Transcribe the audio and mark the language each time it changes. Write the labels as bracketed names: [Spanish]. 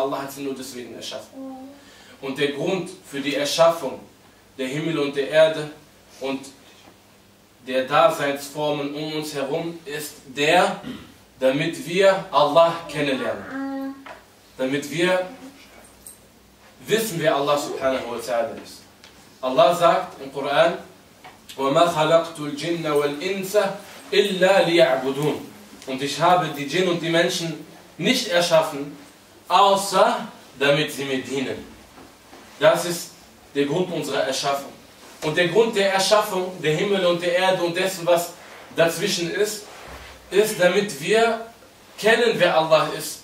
[German] Allah hat sie nur deswegen erschaffen. Und der Grund für die Erschaffung der Himmel und der Erde und der Daseinsformen um uns herum ist der, damit wir Allah kennenlernen. Damit wir wissen, wer Allah subhanahu wa ta'ala ist. Allah sagt im Koran, [Arabic] وَمَا خَلَقْتُ الْجِنَّ وَالْإِنْسَ إِلَّا لِيَعْبُدُونَ. [German] Und ich habe die Dschinn und die Menschen nicht erschaffen, außer damit sie mir dienen. Das ist der Grund unserer Erschaffung. Und der Grund der Erschaffung der Himmel und der Erde und dessen, was dazwischen ist, ist, damit wir kennen, wer Allah ist.